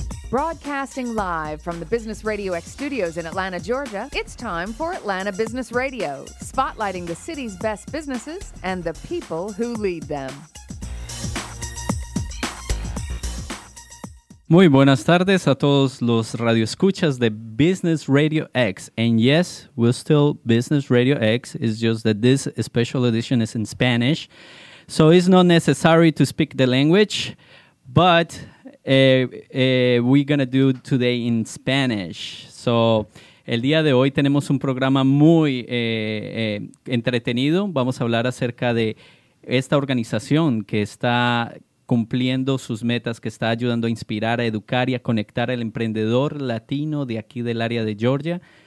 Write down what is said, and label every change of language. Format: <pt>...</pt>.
<en>Broadcasting live from the Business Radio X studios in Atlanta, Georgia, it's time for Atlanta Business Radio, spotlighting the city's best businesses and the people who lead them.</en> <es>Muy buenas tardes a todos los radioescuchas de Business Radio X.</es> <en>And yes, we're still Business Radio X. It's just that this special edition is in Spanish. So it's not necessary to speak the language, but we're going to do today in Spanish.</en> <es>So el día de hoy tenemos un programa muy entretenido. Vamos a hablar acerca de esta organización que está cumpliendo sus metas, que está ayudando a inspirar, a educar y a conectar al emprendedor latino de aquí del área de Georgia.</es>